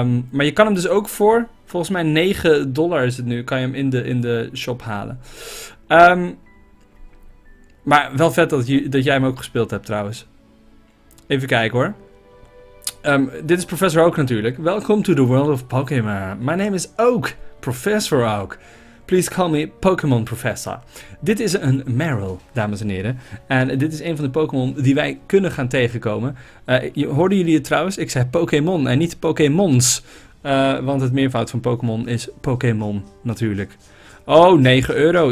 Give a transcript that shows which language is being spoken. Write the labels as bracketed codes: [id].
[nl] Maar je kan hem dus ook voor, volgens mij $9 is het nu, kan je hem in de shop halen. Maar wel vet dat jij hem ook gespeeld hebt trouwens. Even kijken hoor. Dit is Professor Oak natuurlijk. [en] Welcome to the world of Pokémon. My name is Oak, Professor Oak. Please call me Pokémon Professor. [nl] Dit is een Meryl, dames en heren. En dit is een van de Pokémon die wij kunnen gaan tegenkomen. Hoorden jullie het trouwens? Ik zei Pokémon en niet Pokémons. Want het meervoud van Pokémon is Pokémon natuurlijk. Oh, €9.